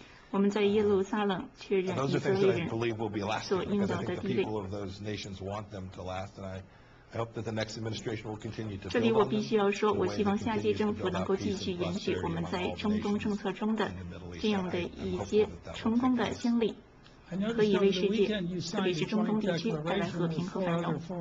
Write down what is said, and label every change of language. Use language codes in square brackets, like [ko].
[zh] 我们在耶路撒冷确认以色列人所应有的地位。 [en] I hope that the next administration will continue to build on them. [zh] 这里我必须要说，我希望下届政府能够继续延续我们在中东政策中的这样的一些成功的先例，可以为世界，特别是中东地区带来和平和繁荣。